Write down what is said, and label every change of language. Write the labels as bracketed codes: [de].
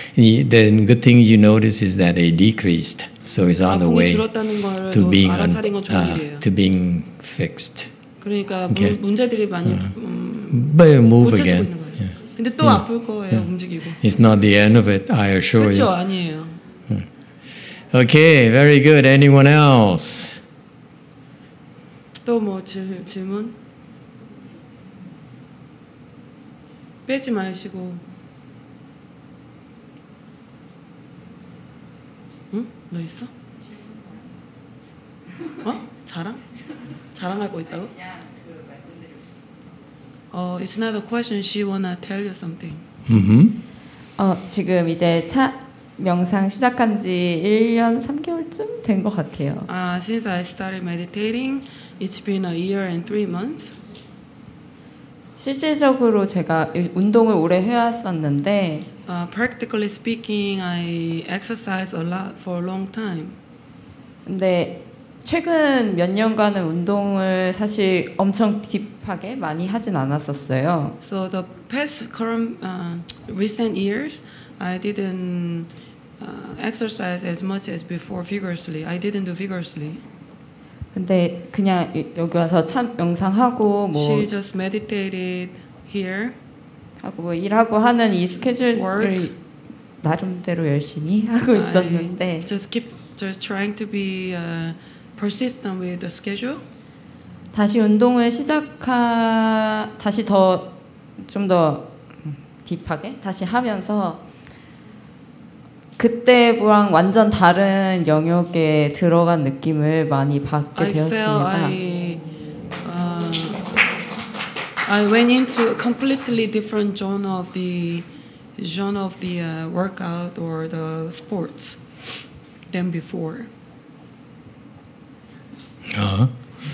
[en] The good thing you notice is that it decreased, so it's on the way to being fixed. [ko] 그러니까 okay. 문제들이 많이 [en] but you move again. [ko] 근데 또 아플 거예요, 움직이고. [en] It's not the end of it. I assure [ko] 그쵸? [en] you. [ko] 그렇죠, 아니에요. [en] Okay, very good. Anyone else? [ko] 또 뭐 질문? 빼지 마시고. 응? 너 있어? 어? 자랑? 자랑하고 있다고? [en] 어, it's not a question. She wanna tell you something. [ko] 어, 지금 이제 차 명상 시작한 지 1년 3개월쯤 된 것 같아요. [en] Since I started meditating, it's been a year and three months. [ko] 실질적으로 제가 운동을 오래 해왔었는데 [en] practically speaking, I exercise a lot for a long time. [ko] 근데 최근 몇 년간은 운동을 사실 엄청 딥하게 많이 하진 않았었어요. [en] So the past current recent years, I didn't exercise as much as before vigorously. I didn't do vigorously. [ko] 근데 그냥 여기 와서 참 명상하고 뭐 [en] She just meditated here. [ko] 하고 뭐 일하고 하는 이 스케줄을 나름대로 열심히 하고 있었는데 [en] I just keep just trying to be persistent with the schedule. [ko] 다시 운동을 시작하 다시 더 좀 더 딥하게 다시 하면서 그때랑 완전 다른 영역에 들어간 느낌을 많이 받게 [en] I [ko] 되었습니다. [en] I went into a completely different genre of the workout or the sports than before. 어?